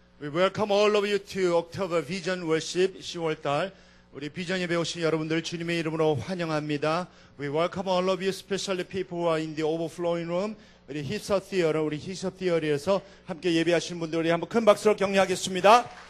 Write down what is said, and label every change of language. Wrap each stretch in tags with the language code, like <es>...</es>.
<en>We welcome all of you to October Vision Worship.</en> <ko>10월달 우리 비전 예배 오신 여러분들 주님의 이름으로 환영합니다.</ko> <en>We welcome all of you, especially people who are in the overflowing room.</en> <ko>우리 히서 티어리, 우리 히서 티어리에서 함께 예배하신 분들 우리 한번 큰 박수로 격려하겠습니다.</ko>